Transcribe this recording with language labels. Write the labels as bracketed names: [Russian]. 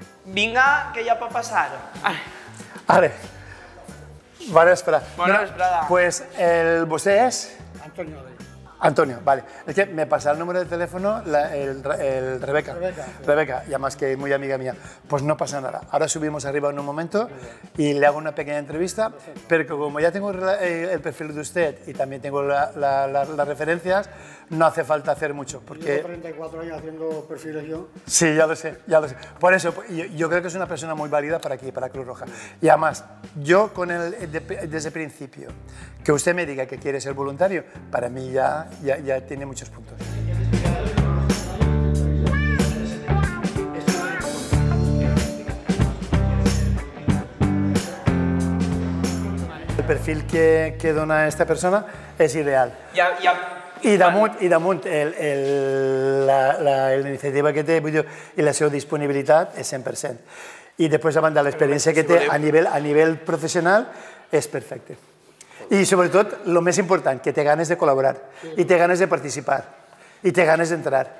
[Catalan] Vinga, que ja pot passar. Ara. Vale, espera. Bona vesprada. Doncs pues vostè és? Antonio. Antonio, vale. És que me passa el número de telèfon, el Rebeca. Rebeca, sí. Rebeca, i que és molt amiga mía. [Spanish] Pues no passa nada. Ara subimos arriba en un momento i le hago una pequeña entrevista. [Catalan] Perquè com ja [Spanish] tengo el perfil de usted i també tengo las referencias, no hace falta hacer mucho. Porque... Llevo 34 años haciendo perfiles yo. Sí, ya lo sé, ya lo sé. Por eso, yo creo que es una persona muy válida para aquí, para Cruz Roja. Y además, yo con él, desde el principio, que usted me diga que quiere ser voluntario, para mí ya tiene muchos puntos. El perfil que dona esta persona es ideal. Ya. [Catalan] I damunt la iniciativa que té, vull dir, i la seva disponibilitat és 100%. I després, a banda, l'experiència que té a nivell professional és perfecte. I sobretot, el més important, que té ganes de col·laborar, sí, i té ganes de participar, i té ganes d'entrar.